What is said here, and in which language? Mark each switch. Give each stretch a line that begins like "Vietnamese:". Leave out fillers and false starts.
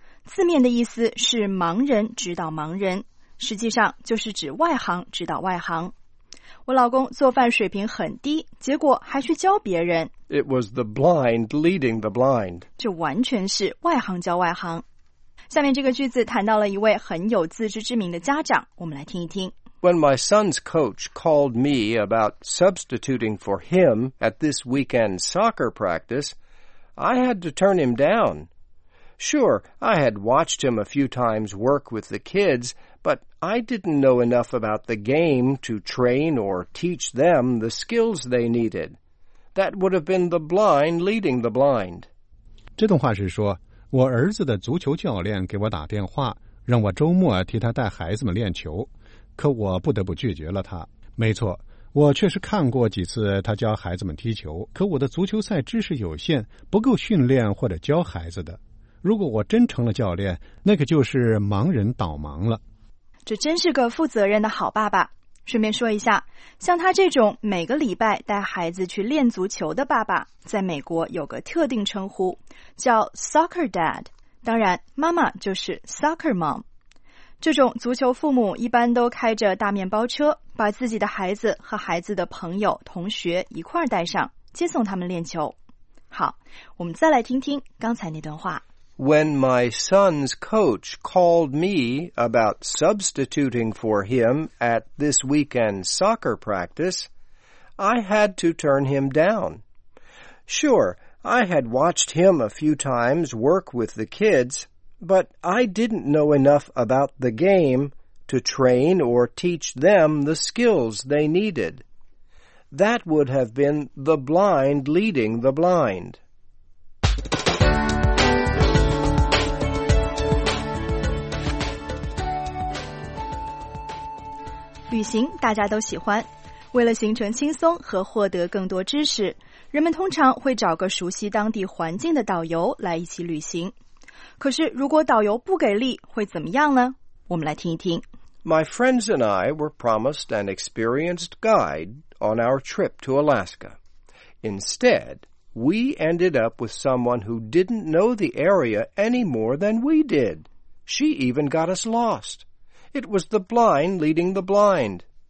Chinese: 字面的意思是盲人指导盲人，实际上就是指外行指导外行。我老公做饭水平很低，结果还去教别人。
English: It was the blind leading the blind.
Chinese: 这完全是外行教外行。下面这个句子谈到了一位很有自知之明的家长，我们来听一听。
English: When my son's coach called me about substituting for him at this weekend soccer practice, I had to turn him down. Sure, I had watched him a few times work with the kids,But I didn't know enough about the game to train or teach them the skills they needed. That would have been the blind leading the blind.
Chinese: 这段话是说，我儿子的足球教练给我打电话，让我周末替他带孩子们练球，可我不得不拒绝了他。没错，我确实看过几次他教孩子们踢球，可我的足球赛知识有限，不够训练或者教孩子的。如果我真成了教练，那可就是盲人导盲了。这真是个负责任的好爸爸。顺便说一下，像他这种每个礼拜带孩子去练足球的爸爸，在美国有个特定称呼，叫 soccer dad。当然，妈妈就是 soccer mom。这种足球父母一般都开着大面包车，把自己的孩子和孩子的朋友、同学一块儿带上，接送他们练球。好，我们再来听听刚才那段话。
English: When my son's coach called me about substituting for him at this weekend soccer practice, I had to turn him down. Sure, I had watched him a few times work with the kids, but I didn't know enough about the game to train or teach them the skills they needed. That would have been the blind leading the blind.
Chinese: 旅行大家都喜欢，为了行程轻松和获得更多知识，人们通常会找个熟悉当地环境的导游来一起旅行。可是如果导游不给力会怎么样呢？我们来听一听。
English: My friends and I were promised an experienced guide on our trip to Alaska. Instead, we ended up with someone who didn't know the area any more than we did. She even got us lost. It was the blind leading the blind.